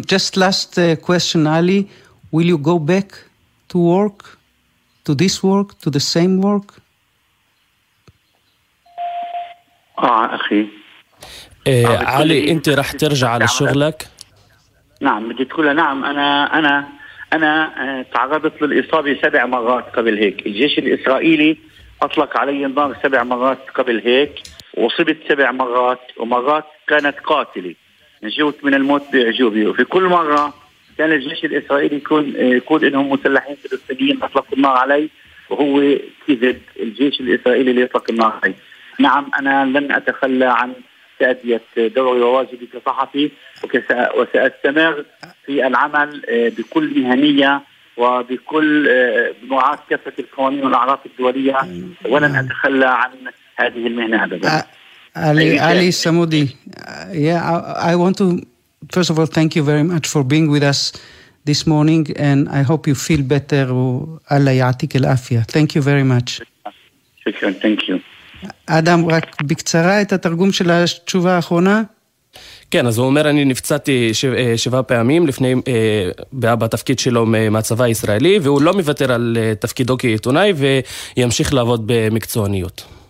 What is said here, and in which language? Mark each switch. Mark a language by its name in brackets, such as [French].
[English] Just last question, Ali, will you go back to work, to this work, to the same work? [Hebrew] אחי. [Arabic] Ali, انت راح ترجع على شغلك؟ نعم, بدي تقول نعم, انا تعرضت للاصابه سبع مرات قبل هيك الجيش الاسرائيلي اطلق علي نار سبع مرات قبل هيك وصبت سبع مرات ومرات كانت قاتله نجوت من الموت باعجوبه وفي كل مره كان الجيش الإسرائيلي يقول إنهم مسلحين فلسطينيين أطلق النار علي وهو كذب الجيش الإسرائيلي اللي أطلق النار علي. نعم أنا لن أتخلى عن تأدية دوري وواجبي كصحفي وسأستمر في العمل بكل مهنية وبكل معاصرة كافة القوانين والأعراف الدولية ولن أتخلى عن هذه المهنة أبدا. [English] Ali Samoudi, yeah, I want to first of all thank you very much for being with us this morning, and I hope you feel better. [Arabic] Allah yatik al afia. [English] Thank you very much. Thank you. [Hebrew] Adam, רק בקצרה את התרגום של התשובה האחרונה. כן, אז הוא אומר, אני נפצעתי שבעה פעמים לפני, בתפקיד שלו מהצבא הישראלי, והוא לא מוותר על תפקידו כעיתונאי וימשיך לעבוד במקצועניות.